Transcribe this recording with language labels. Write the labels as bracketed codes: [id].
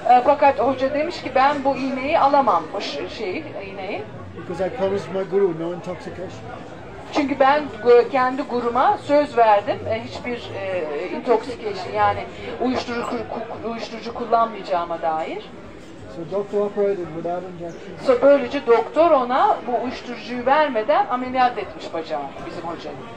[tr] Fakat hoca demiş ki ben bu iğneyi alamam, bu iğneyi. [en] Because I promised my guru no intoxication. [tr] Çünkü ben kendi guruma söz verdim, hiçbir intoxication, yani uyuşturucu kullanmayacağıma dair. [en] So doctor operated without injection. [tr] So böylece doktor ona bu uyuşturucuyu vermeden ameliyat etmiş bacağını, bizim hocanın.